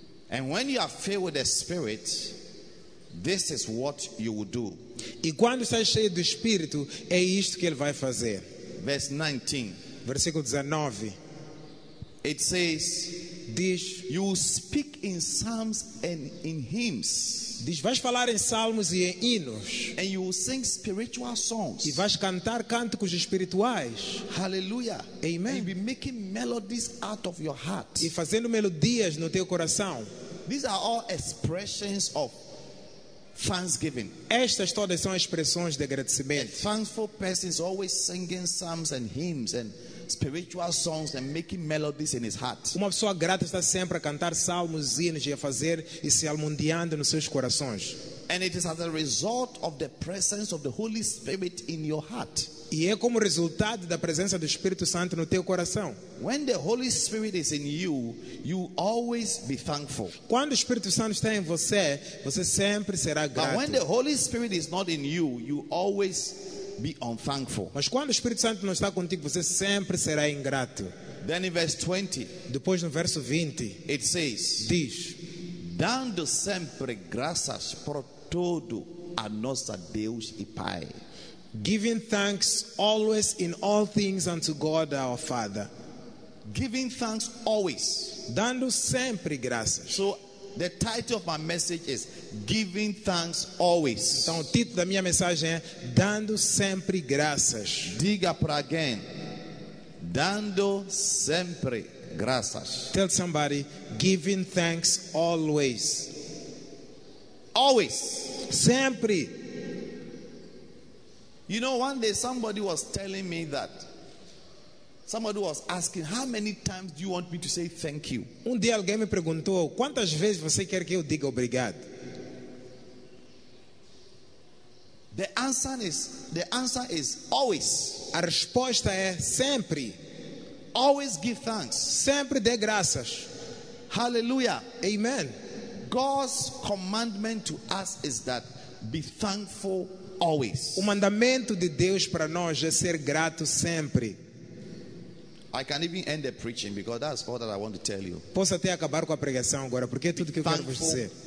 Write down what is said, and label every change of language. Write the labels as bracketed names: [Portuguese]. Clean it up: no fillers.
[English] And when you are filled with the Spirit, this is what you will do. [Portuguese] E quando estás cheio do Espírito, é isto que ele vai fazer. [English] Verse 19. [Portuguese] Versículo 19. [English] It says, [Portuguese] diz, [English] you will speak in psalms and in hymns. [Portuguese] Diz, vais falar em salmos e em hinos. [English] And you will sing spiritual songs. [Portuguese] E vais cantar cânticos espirituais. [English] Hallelujah. [Portuguese] Amen. [English] And be making melodies out of your heart. [Portuguese] E fazendo melodias no teu coração. [English] These are all expressions of thanksgiving. [Portuguese] Estas todas são expressões de agradecimento. [English] A thankful person is always singing psalms and hymns and spiritual songs and making melodies in his heart. [Portuguese] Uma pessoa grata está sempre a cantar salmos, hinos e a fazer e se almundiando nos seus corações. [English] And it is as a result of the presence of the Holy Spirit in your heart. [Portuguese] E é como resultado da presença do Espírito Santo no teu coração. [English] When the Holy Spirit is in you, you always be thankful. [Portuguese] Quando o Espírito Santo está em você, você sempre será grato. [English] But when the Holy Spirit is not in you, you always be unthankful. [Portuguese] Mas quando o Espírito Santo não está contigo, você sempre será ingrato. [English] Then in verse 20, [Portuguese] depois no verso 20, it says, diz, dando sempre graças por todo a nosso Deus e Pai. [English] Giving thanks always in all things unto God our Father. Giving thanks always. [Portuguese] Dando sempre graças. [English] So the title of my message is Giving Thanks Always. [Portuguese] Então o título da minha mensagem é Dando Sempre Graças. Diga para alguém, dando sempre graças. [English] Tell somebody, giving thanks always. Always. [Portuguese] Sempre. [English] You know, one day somebody was telling me that somebody was asking, how many times do you want me to say thank you? [Portuguese] Um dia alguém me perguntou, quantas vezes você quer que eu diga obrigado? [English] The answer is always. [Portuguese] A resposta é sempre. [English] Always give thanks. [Portuguese] Sempre dê graças. [English] Hallelujah. [Portuguese] Amen. [English] God's commandment to us is that be thankful always. [Portuguese] O mandamento de Deus para nós é ser grato sempre. [English] I can even end the preaching because that's all that I want to tell you. [Portuguese] Posso até acabar com a pregação agora, porque é tudo que eu quero vos dizer.